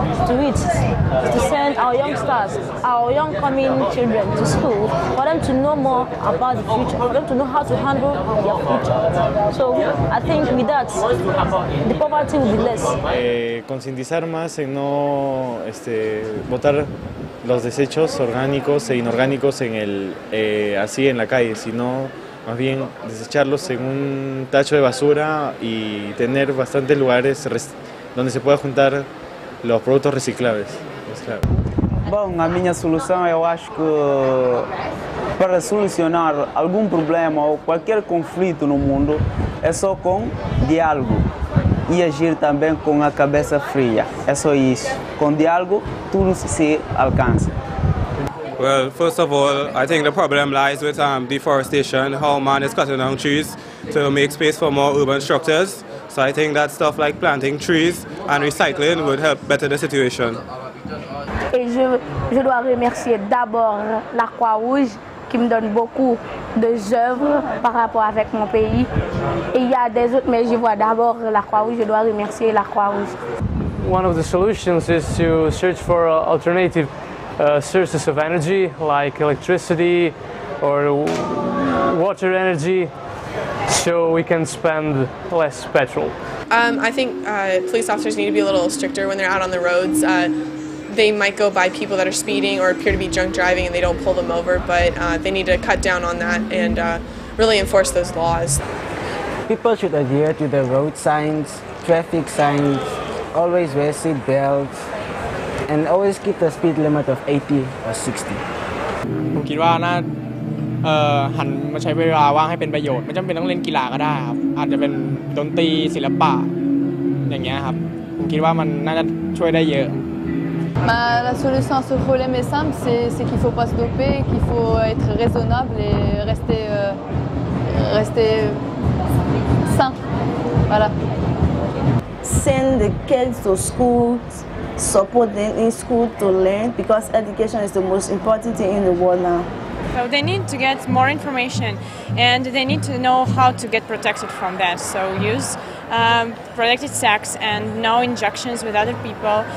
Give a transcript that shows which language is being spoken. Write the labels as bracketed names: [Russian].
[English] To eat, to send our youngsters, our young coming children to school, for them to know more about the future, for them to know how to handle their future. So I think with that, the poverty will be less. [Spanish] Concientizar más en no botar los desechos orgánicos e inorgánicos en el así en la calle, sino más bien desecharlos en un tacho de basura y tener bastantes lugares donde se pueda juntar los productos reciclables. [Portuguese] Bom, a minha solução, eu acho que para solucionar algum problema ou qualquer conflito no mundo é só com diálogo e agir também com a cabeça fria. É só isso. Com diálogo, tudo se alcança. [English] Well, first of all, I think the problem lies with deforestation, how man is cutting down trees to make space for more urban structures. So I think that stuff like planting trees and recycling would help better the situation. [French] Et je dois remercier d'abord la Croix Rouge qui me donne beaucoup de œuvres par rapport avec mon pays. Et il y a des autres, mais je vois d'abord la Croix Rouge. Je dois remercier la Croix Rouge. [English] One of the solutions is to search for alternative sources of energy, like electricity or water energy, so we can spend less petrol. I think police officers need to be a little stricter when they're out on the roads. They might go by people that are speeding or appear to be drunk driving and they don't pull them over, but they need to cut down on that and really enforce those laws. People should adhere to the road signs, traffic signs, always wear seat belts, and always keep the speed limit of 80 or 60. [Thai] ผมคิดว่าน่าหันมาใช้เวลาว่างให้เป็นประโยชน์ไม่จำเป็นต้องเล่นกีฬาก็ได้ครับอาจจะเป็นดนตรีศิลปะอย่างเงี้ยครับผมคิดว่ามันน่าจะช่วยได้เยอะ [French] Bah, la solution à ce problème est simple, c'est qu'il faut pas se doper, qu'il faut être raisonnable et rester sain. Voilà. [English] Send the kids to school. Support them in school to learn because education is the most important thing in the world now. So they need to get more information and they need to know how to get protected from that. So use protected sex and no injections with other people.